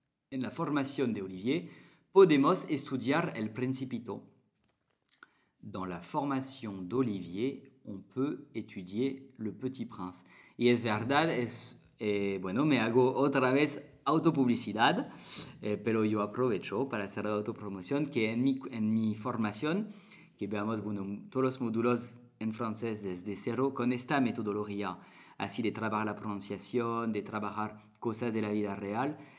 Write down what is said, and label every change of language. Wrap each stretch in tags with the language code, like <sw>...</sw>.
<es>En la formación de Olivier, podemos estudiar el Principito.</es> <fr>Dans la formation d'Olivier, on peut étudier le petit prince.</fr> <es>Y es verdad, bueno, me hago otra vez autopublicidad, pero yo aprovecho para hacer la autopromoción que en mi formación, que veamos, bueno, todos los módulos en francés desde cero con esta metodología, así de trabajar la pronunciación, de trabajar cosas de la vida real.</es>